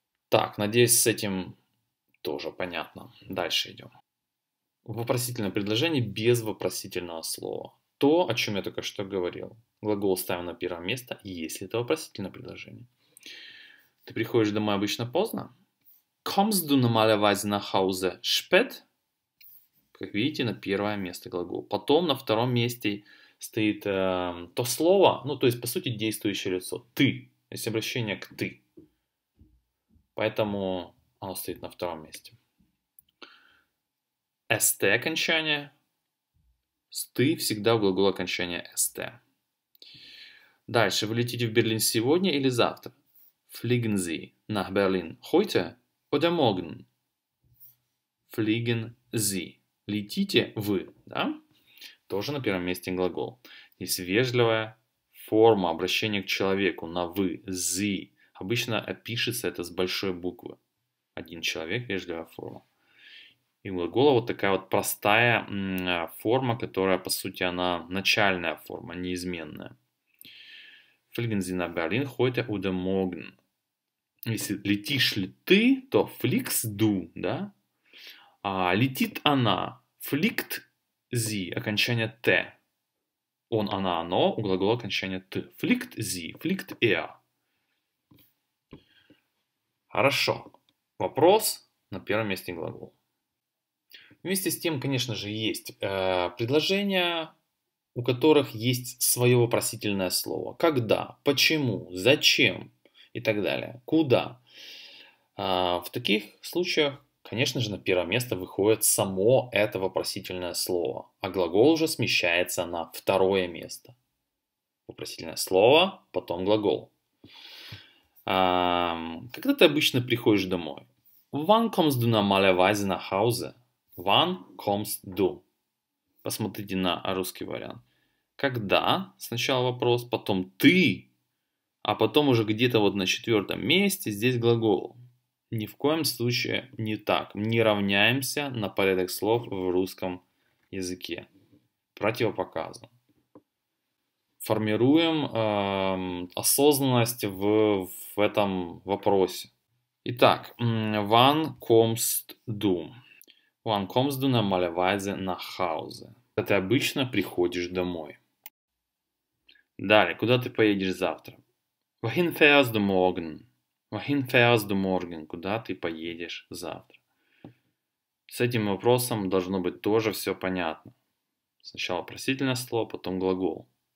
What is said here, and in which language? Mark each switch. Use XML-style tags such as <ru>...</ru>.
<ru>Так, надеюсь, с этим тоже понятно. Дальше идем. Вопросительное предложение без вопросительного слова. То, о чем я только что говорил. Глагол ставим на первое место, если это вопросительное предложение. Ты приходишь домой обычно поздно?</ru> <de>Kommst du normalerweise nach Hause spät?</de> <ru>Как видите, на первое место глагол. Потом на втором месте стоит то слово, ну, то есть, по сути, действующее лицо. Ты. Есть обращение к ты. Поэтому оно стоит на втором месте. СТ окончание. СТЫ всегда в глагол окончания СТ. Дальше. Вы летите в Берлин сегодня или завтра?</ru> <de>Fliegen Sie nach Berlin heute oder morgen? Fliegen Sie.</de> <ru>Летите вы, да? Тоже на первом месте глагол. Есть вежливая форма обращения к человеку на вы, зи. Обычно пишется это с большой буквы. Один человек, вежливая форма. И у глагола вот такая вот простая форма, которая, по сути, она начальная форма, неизменная.</ru> <de>Fliegen Sie nach Berlin heute oder morgen?</de> <ru>Если летишь ли ты, то</ru> <de>fliegst du,</de> <ru>да? А летит она, fliegt зи, окончание Т. Он, она, оно, у глагола окончание Т.</ru> <de>Fliegt зи, fliegt er.</de> <ru>Хорошо. Вопрос на первом месте глагол. Вместе с тем, конечно же, есть предложения, у которых есть свое вопросительное слово. Когда, почему, зачем и так далее. Куда. В таких случаях, конечно же, на первое место выходит само это вопросительное слово, а глагол уже смещается на второе место. Вопросительное слово, потом глагол. Когда ты обычно приходишь домой?</ru> <de>Wann kommst du normalerweise nach Hause? Wann kommst du?</de> <ru>Посмотрите на русский вариант. Когда? Сначала вопрос, потом ты, а потом уже где-то вот на четвертом месте здесь глагол. Ни в коем случае не так. Не равняемся на порядок слов в русском языке. Противопоказано. Формируем осознанность в этом вопросе. Итак,</ru> <de>wann kommst du? Wann kommst du normalerweise nach Hause?</de> <ru>Когда ты обычно приходишь домой. Далее, куда ты поедешь завтра?</ru> <de>Wohin fährst du morgen? Wohin fährst du morgen?</de> <ru>Куда ты поедешь завтра? С этим вопросом должно быть тоже все понятно. Сначала вопросительное слово, потом глагол.</ru>